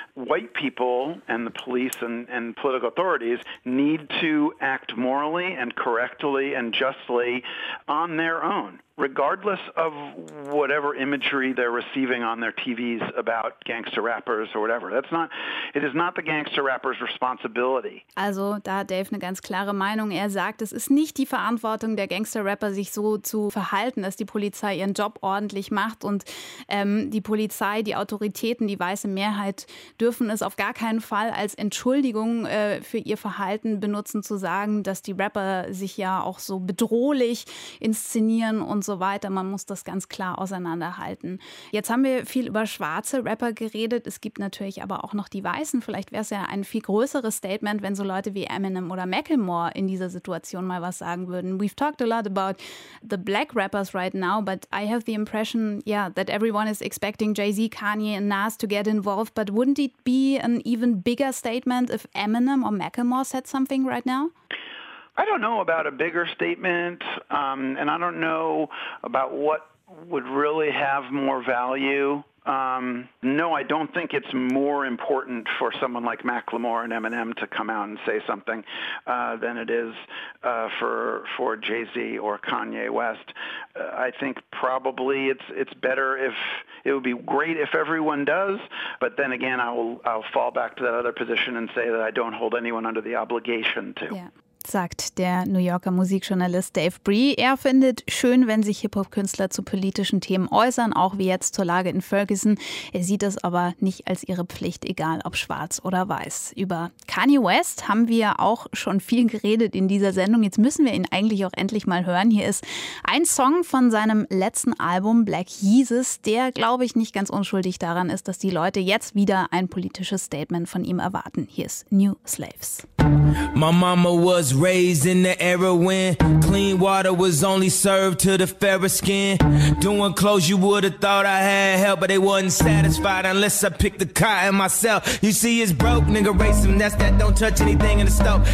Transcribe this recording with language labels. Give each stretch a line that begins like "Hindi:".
English: White people and the police and political authorities need to act morally and correctly and justly on their own, regardless of whatever imagery they're receiving on their TVs about gangster rappers or whatever. It is not the gangster rapper's responsibility.
German: Also, da hat Dave eine ganz klare Meinung. Er sagt, es ist nicht die Verantwortung der Gangster Rapper, sich so zu verhalten, dass die Polizei ihren Job ordentlich macht und die Polizei, die Autoritäten, die weiße Mehrheit dürfen es auf gar keinen Fall als Entschuldigung für ihr Verhalten benutzen, zu sagen, dass die Rapper sich ja auch so bedrohlich inszenieren und so weiter. Man muss das ganz klar auseinanderhalten. Jetzt haben wir viel über schwarze Rapper geredet. Es gibt natürlich aber auch noch die Weißen. Vielleicht wäre es ja ein viel größeres Statement, wenn so Leute wie Eminem oder Macklemore in dieser Situation mal was sagen würden.
English: We've talked a lot about the black rappers right now, but I have the impression, yeah, that everyone is expecting Jay-Z, Kanye and Nas to get involved. But wouldn't it be an even bigger statement if Eminem or Macklemore said something right now? I don't know about a bigger statement, and I don't know about what would really have more value. No, I don't think it's more important for someone like Macklemore and Eminem to come out and say something than it is for Jay-Z or Kanye West. I think probably it's better if it would be great if everyone does. But then again, I'll fall back to that other position and say that I don't hold anyone under the obligation to.
German: Yeah. Sagt der New Yorker Musikjournalist Dave Bree. Er findet schön, wenn sich Hip-Hop-Künstler zu politischen Themen äußern, auch wie jetzt zur Lage in Ferguson. Er sieht es aber nicht als ihre Pflicht, egal ob schwarz oder weiß. Über Kanye West haben wir auch schon viel geredet in dieser Sendung. Jetzt müssen wir ihn eigentlich auch endlich mal hören. Hier ist ein Song von seinem letzten Album Black Yeezus, der, glaube ich, nicht ganz unschuldig daran ist, dass die Leute jetzt wieder ein politisches Statement von ihm erwarten. Hier ist New Slaves.
English: My mama was raised in the era when clean water was only served to the fairer skin. Doing clothes, you would have thought I had help, but they wasn't satisfied unless I picked the cotton myself. You see, it's broke, nigga, race him, that's that, don't touch anything in the stove.